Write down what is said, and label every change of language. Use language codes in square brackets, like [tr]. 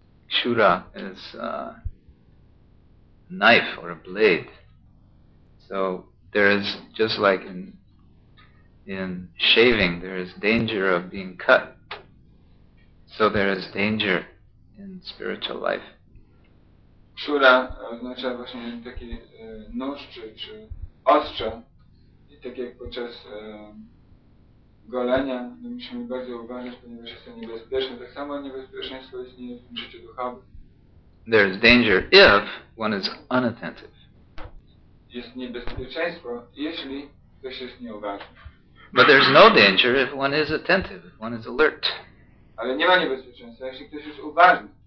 [en] Kshura is a knife or a blade. So there is, just like in shaving, there is danger of being cut. So there is danger in spiritual life. [pl] Kshura oznacza właśnie taki nóż czy ostrze. I tak jak podczas golenia, my musimy bardzo uważać, ponieważ jest to niebezpieczne. Tak samo niebezpieczeństwo istnieje w życiu duchowym. [en] There is danger if one is unattentive. [pl] Jest niebezpieczeństwo, jeśli ktoś jest nieuważny. [en] But there is no danger if one is attentive, if one is alert. [pl] Ale nie ma niebezpieczeństwa, jeśli ktoś jest uważny.